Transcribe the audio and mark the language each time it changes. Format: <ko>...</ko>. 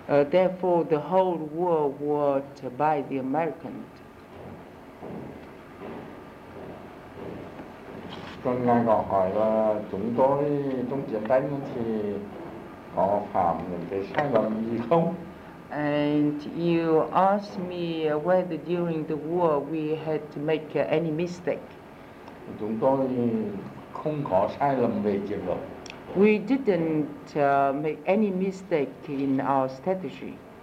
<en>Therefore, the whole war was by the Americans.</en> <vi>Còn ngài còn hỏi là chúng tôi trong chiến tranh thì có phạm những cái sai lầm gì không?</vi> <en>And you asked me whether during the war we had to make any mistake.</en> <vi>Chúng tôi không có sai lầm về chiến lược.</vi> <en>We didn't make any mistake in our strategy.</en>